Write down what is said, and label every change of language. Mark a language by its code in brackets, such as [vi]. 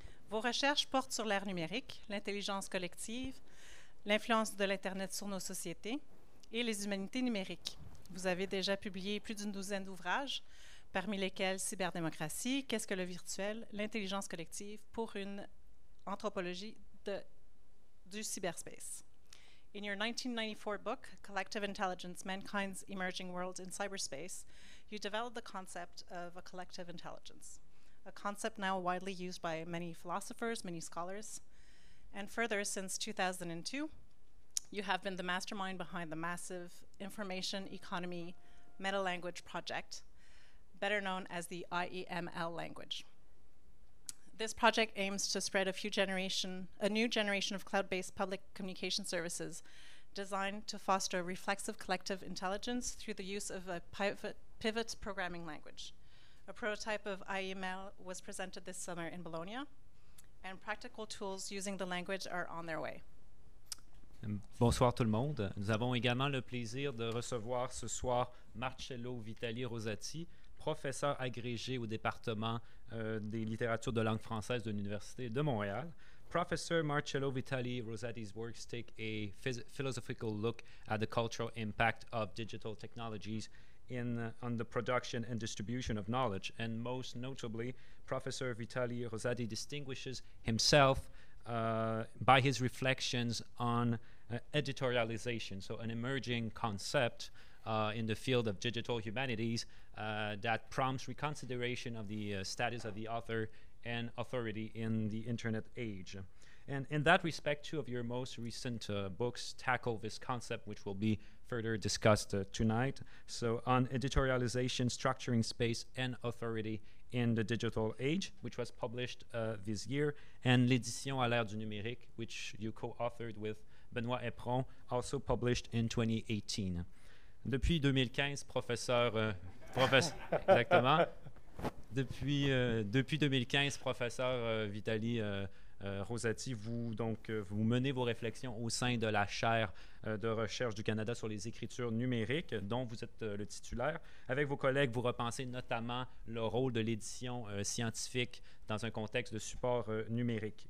[fr] Vos recherches portent sur l'ère numérique, l'intelligence collective, l'influence de l'Internet sur nos sociétés et les humanités numériques. Vous avez déjà publié plus d'une douzaine d'ouvrages, parmi lesquels Cyberdémocratie, Qu'est-ce que le virtuel, l'intelligence collective pour une anthropologie du cyberspace. [en] In your 1994 book, Collective Intelligence, Mankind's Emerging World in Cyberspace, you developed the concept of a collective intelligence, a concept now widely used by many philosophers, many scholars. And further, since 2002, you have been the mastermind behind the massive information economy meta-language project, better known as the IEML language. This project aims to spread a new generation of cloud-based public communication services designed to foster reflexive collective intelligence through the use of a pivot programming language. A prototype of IEML was presented this summer in Bologna. And practical tools using the language are on their way. [fr] Bonsoir tout le monde. Nous avons également le plaisir de recevoir ce soir Marcello Vitali Rosati, professeur agrégé au département des littératures de langue française de l'Université de Montréal. [en] Professor Marcello Vitali Rosati's works take a philosophical look at the cultural impact of digital technologies on the production and distribution of knowledge. And most notably, Professor Vitali Rosati distinguishes himself by his reflections on editorialization, so an emerging concept in the field of digital humanities that prompts reconsideration of the status of the author and authority in the internet age. And in that respect, two of your most recent books tackle this concept, which will be further discussed tonight. So on editorialization, structuring space and authority in the digital age, which was published this year, and L'édition à l'ère du numérique, which you co-authored with Benoît Epron, also published in 2018. [fr] Depuis 2015, professeur, exactement. Depuis 2015, professeur Vitali Rosati, vous menez vos réflexions au sein de la chaire de recherche du Canada sur les écritures numériques, dont vous êtes le titulaire. Avec vos collègues, vous repensez notamment le rôle de l'édition scientifique dans un contexte de support numérique.